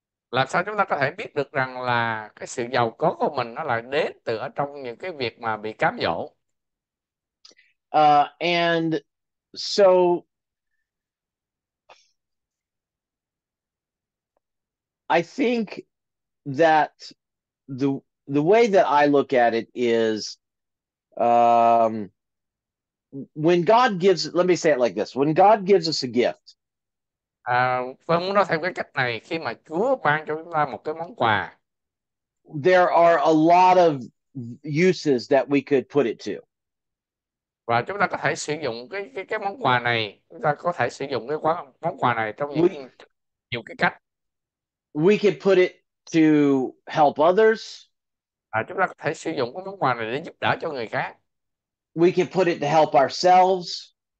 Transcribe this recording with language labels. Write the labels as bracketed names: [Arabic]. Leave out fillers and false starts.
[Vietnamese] Làm sao chúng ta có thể biết được rằng là cái sự giàu có của mình nó lại đến từ ở trong những cái việc mà bị cám dỗ? [English] And so I think that the way that I look at it is, when God gives, let me say it like this, when God gives us a gift, [Vietnamese] Tôi muốn nói theo cái cách này, khi mà Chúa ban cho chúng ta một cái món quà, [English] there are a lot of uses that we could put it to. [Vietnamese] và chúng ta có thể sử dụng cái món quà này, chúng ta có thể sử dụng cái món quà này trong [English] We [Vietnamese] những nhiều cái cách. [English] could put it to help others. [Vietnamese] À, chúng ta có thể sử dụng cái món quà này để giúp đỡ cho người khác. [English] We can put it to help ourselves.